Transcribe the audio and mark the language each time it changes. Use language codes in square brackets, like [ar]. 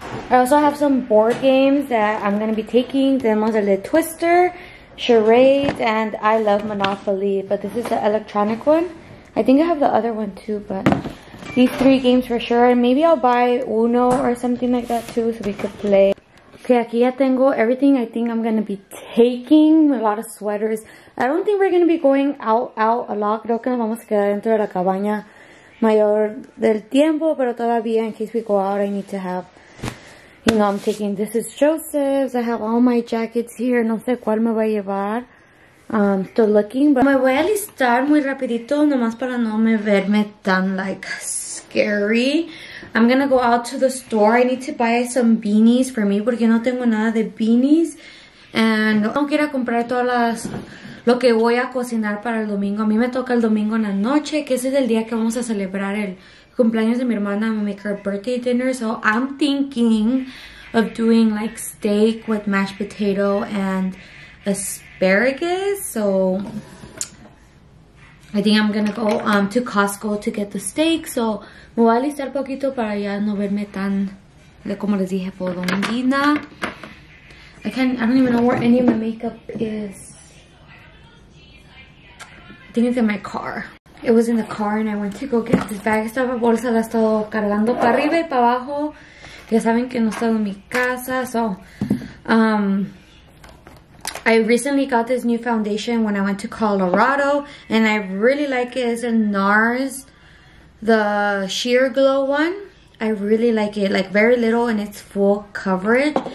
[en] I also have some board games that I'm going to be taking. [es] Tenemos el de [en] Twister, Charade, and I love Monopoly, but this is the electronic one. I think I have the other one too, but these three games for sure. And maybe I'll buy Uno or something like that too, so we could play. Okay, [es] aquí ya tengo [en] everything I think I'm going to be taking. A lot of sweaters. I don't think we're going to be going out a lot. [es] Creo que nos vamos a quedar dentro de la cabaña mayor del tiempo. Pero todavía, [en] in case we go out, I need to have... You know, I'm taking... This is Joseph's. I have all my jackets here. [es] No sé cuál me va a llevar. [en] Still looking, but... [es] Me voy a listar muy rapidito, nomás para no me verme tan, like, scary. [en] I'm gonna go out to the store. I need to buy some beanies for me [es] porque no tengo nada de [en] beanies. [es] And no quiero comprar todas las lo que voy a cocinar para el domingo. A mí me toca el domingo en la noche, que ese es el día que vamos a celebrar el cumpleaños de mi hermana. [en] I'm gonna make her birthday dinner. So I'm thinking of doing like steak with mashed potato and asparagus. So I think I'm gonna go to Costco to get the steak. [es] So me voy a listar poquito para ya no verme tan de como les dije por domingo. [en] I don't even know where any of my makeup is. I think it's in my car. It was in the car and I went to go get this bag. [es] Esta bolsa la he estado cargando para arriba y para abajo. Ya saben que no he estado en mi casa. [en] So I recently got this new foundation when I went to Colorado and I really like it. It's a NARS. The sheer glow one, I really like it, like very little and it's full coverage.